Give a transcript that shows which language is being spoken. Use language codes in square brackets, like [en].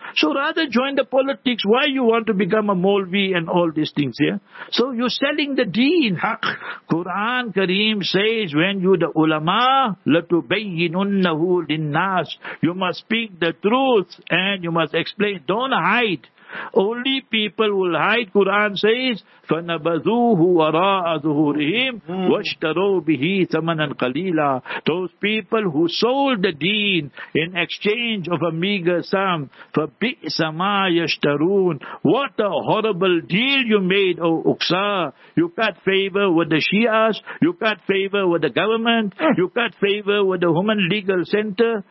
[en] So rather join the politics. Why you want to become a Maulvi and all these things here? Yeah? So you're selling the deen. Haq. Quran Kareem says, when you the ulama, latubayyinunnahu linnas, you must speak the truth and you must explain. Don't hide. Only people will hide, Quran says, [ar] فَنَبَذُوهُ وَرَاءَ ظُهُورِهِمْ وَاشْتَرَوْ بِهِ ثَمَنًا قَلِيلًا. [en] Those people who sold the deen in exchange of a meager sum, [ar] فَبِئْسَ مَا يَشْتَرُونَ. [en] What a horrible deal you made, O Uqsa. You cut favor with the Shias, you cut favor with the government, you cut favor with the Human Legal Center.